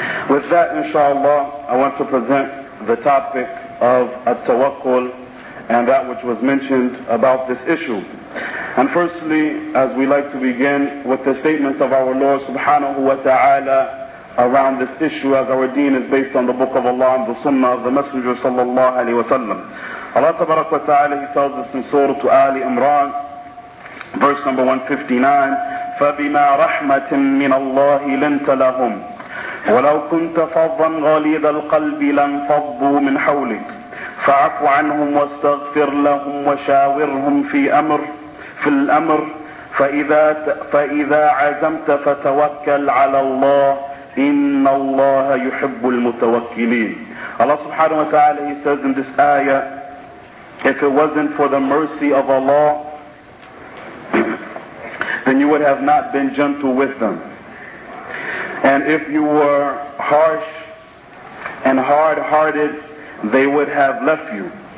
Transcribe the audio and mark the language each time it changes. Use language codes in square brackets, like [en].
[en] With that, inshallah, I want to present the topic of at-tawakkul and that which was mentioned about this issue. And firstly, as we like to begin with the statements of our Lord subhanahu wa ta'ala around this issue, as our deen is based on the book of Allah and the sunnah of the Messenger sallallahu alayhi wa sallam. Allah tabaraka wa ta'ala, he tells us in Surah Ali Imran, verse number 159, [ar] فَبِمَا رَحْمَةٍ مِّنَ اللَّهِ لَنْتَ لَهُمْ وَلَوْ كُنْتَ فَضًّا غَلِيظَ الْقَلْبِ لَنْ فَضُّوا مِنْ حَوْلِكَ فاعف عنهم واستغفر لهم وشاورهم في الأمر فإذا عزمت فتوكل على الله إن الله يحب المتوكلين. [en] Allah subhanahu wa ta'ala, he says in this ayah, if it wasn't for the mercy of Allah, then you would have not been gentle with them. And if you were harsh and hard-hearted, they would have left you.